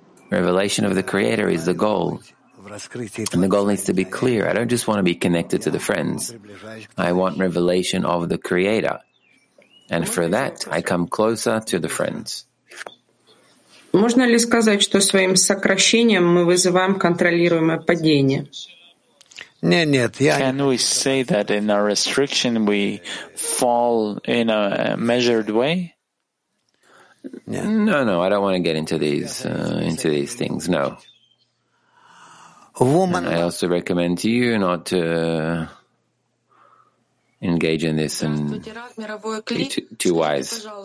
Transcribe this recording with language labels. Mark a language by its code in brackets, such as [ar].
[en] Revelation of the Creator is the goal. And the goal needs to be clear. I don't just want to be connected to the friends. I want revelation of the Creator. And for that, I come closer to the friends. [ru] Можно ли сказать, что своим сокращением мы вызываем контролируемое падение? [en] Can we say that in our restriction we fall in a measured way? No, no, I don't want to get into these things, no. Woman, I also recommend to you not to engage in this and be too wise.